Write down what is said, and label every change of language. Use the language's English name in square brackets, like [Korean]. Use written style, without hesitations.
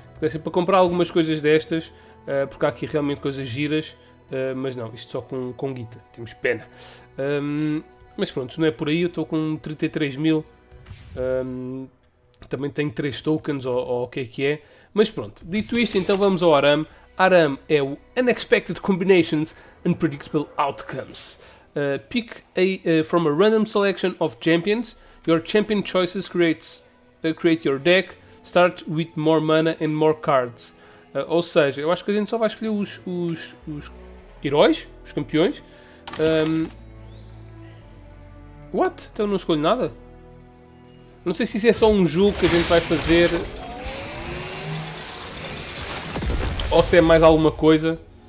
[Portuguese] Dessem para comprar algumas coisas destas, porque há aqui realmente coisas giras, mas não, isto só com guita, temos pena. Mas pronto, não é por aí, eu estou com 33 mil. Também tenho 3 tokens, ou o que é. Mas pronto, dito isto, então vamos ao Arame. Arame é o Unexpected Combinations Unpredictable Outcomes. [English] Pick from a random selection of champions. Your champion choices create your deck. Start with more mana and more cards. [Portuguese] Ou seja, eu acho que a gente só vai escolher os heróis, os campeões. What? Então não escolho nada? Não sei se isso é só um jogo que a gente vai fazer, ou se é mais alguma coisa.